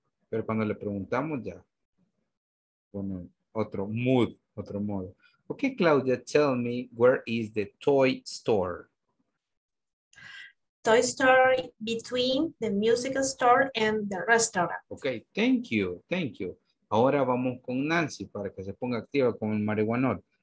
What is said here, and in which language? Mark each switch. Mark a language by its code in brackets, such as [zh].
[es] Pero cuando le preguntamos ya, pone otro mood, otro modo. [en] Okay, Claudia, tell me, where is the toy store? Toy store between the music store and the restaurant. Okay, thank you, thank you. [es] Ahora vamos con Nancy para que se ponga activa con el marihuanol.